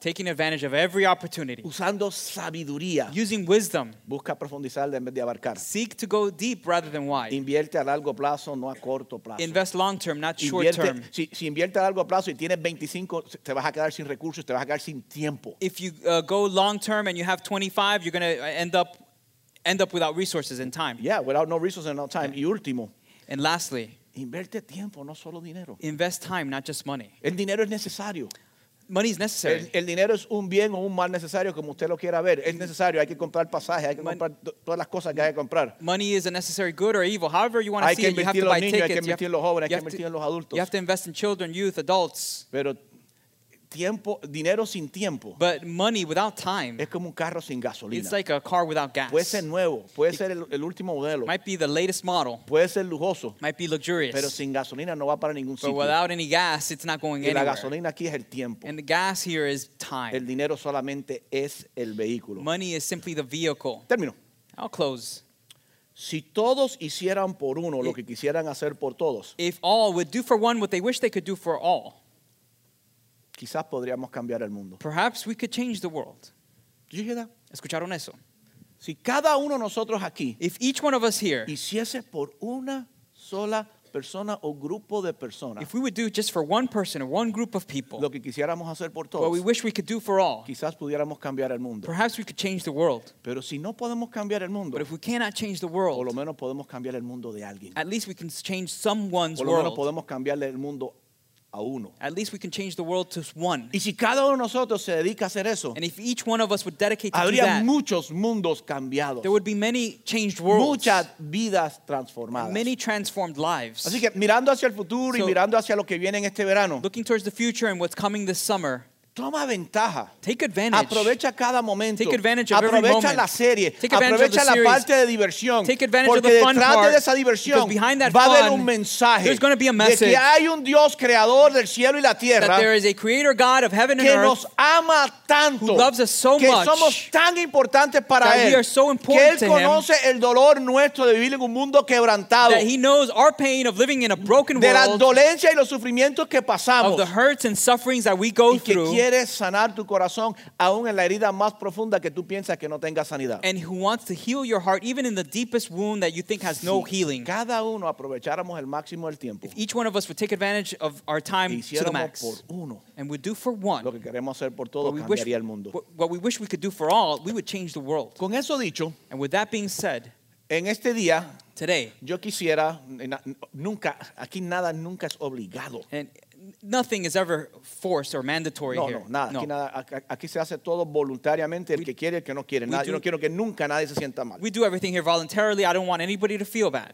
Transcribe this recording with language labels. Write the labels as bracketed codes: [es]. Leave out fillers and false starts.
[en] Taking advantage of every opportunity. [es] Usando sabiduría. [en] Using wisdom. [es] Busca profundizar en vez de abarcar. [en] Seek to go deep rather than wide. [es] Invierte a largo plazo, no a corto plazo. [en] Invest long term, not short term. [es] Si invierte a largo plazo y tienes 25, te vas a quedar sin recursos, te vas a quedar sin tiempo. [en] If you go long term and you have 25, you're going to end up without resources and time. Yeah, without no resources and no time. Yeah. [es] Y último. [en] And lastly. [es] Invierte tiempo, no solo dinero. [en] Invest time, not just money. [es] El dinero es necesario. [en] Money is necessary. [es] El dinero es un bien o un mal necesario, como usted lo quiera ver. Es necesario. Hay que comprar pasaje, hay que comprar todas las cosas que hay que comprar. [en] Money is a necessary good or evil. However you want to see it, you have to buy tickets. [es] Hay que invertir en los jóvenes, hay que invertir en los adultos. [en] You have to invest in children, youth, adults. [es] Pero tiempo, dinero sin tiempo. [en] But money without time. [es] Es como un carro sin gasolina. [en] It's like a car without gas. [es] Puede ser nuevo. Puede ser el último modelo. [en] Might be the latest model. [es] Puede ser lujoso. [en] Might be luxurious. [es] Pero sin gasolina no va para ningún sitio. [en] But without any gas, it's not going anywhere. [es] Y la gasolina aquí es el tiempo. [en] And the gas here is time. [es] El dinero solamente es el vehículo. [en] Money is simply the vehicle. [es] Termino. [en] I'll close. [es] Si todos hicieran por uno lo que quisieran hacer por todos. [en] If all would do for one what they wish they could do for all. [es] Quizás podríamos cambiar el mundo. [en] Perhaps we could change the world. ¿Did you hear that? [es] ¿Escucharon eso? Si cada uno de nosotros aquí, [en] if each one of us here, [es] hiciese por una sola persona o grupo de personas, [en] if we would do just for one person or one group of people, [es] lo que quisiéramos hacer por todos, [en] what we wish we could do for all, [es] quizás pudiéramos cambiar el mundo. [en] Perhaps we could change the world. [es] Pero si no podemos cambiar el mundo, [en] but if we cannot change the world, [es] por lo menos podemos cambiar el mundo de alguien. [en] At least we can change someone's world. [es] Por lo menos podemos cambiarle el mundo. [en] At least we can change the world to one. [es] Y si cada uno de nosotros se dedica a hacer eso, [en] and if each one of us would dedicate to do that, [es] muchos mundos cambiados. [en] There would be many changed worlds. [es] Muchas vidas transformadas. [en] Many transformed lives. [es] Así que mirando hacia el futuro y mirando hacia lo que viene en este verano, [en] looking towards the future and what's coming this summer, [es] toma ventaja. [en] Take advantage. [es] Aprovecha cada momento. [en] Take advantage of [es] aprovecha [en] every moment. [es] La serie. [en] Take advantage of the series. [es] La parte de diversión. [en] Take advantage of the fun part. [es] Porque detrás de esa diversión va a haber un mensaje. [en] There's going to be a message. [es] De que hay un Dios creador del cielo y la tierra. [en] That there is a creator God of heaven and [es] que [en] earth. [es] Que nos ama tanto. [en] Who loves us so [es] que [en] much. [es] Que somos tan importantes para [en] that [es] él. [en] That we are so important to him. [es] Que él conoce el dolor nuestro de vivir en un mundo quebrantado. [en] That he knows our pain of living in a broken [es] de [en] world. [es] De la dolencia y los sufrimientos que pasamos. [en] Of the hurts and sufferings that we go through. [es] Quieres sanar tu corazón aún en la herida más profunda que tú piensas que no tenga sanidad. [en] And who wants to heal your heart even in the deepest wound that you think has [es] si [en] no healing. [es] Cada uno aprovecháramos el máximo del tiempo. [en] If each one of us would take advantage of our time to the max. [es] Por uno, [en] and we'd do for one. [es] Lo que queremos hacer por todos cambiaría el mundo. [en] What we wish we could do for all, we would change the world. [es] Con eso dicho, [en] and with that being said, [es] en este día, [en] today, [es] yo quisiera nunca aquí nada nunca es obligado. [en] And nothing is ever forced or mandatory [es] no, [en] here. [es] No, nada. No. Aquí, nada. Aquí se hace todo voluntariamente. El que quiere, el que no quiere. Nada. Yo no quiero que nunca nadie se sienta mal. [en] We do everything here voluntarily. I don't want anybody to feel bad.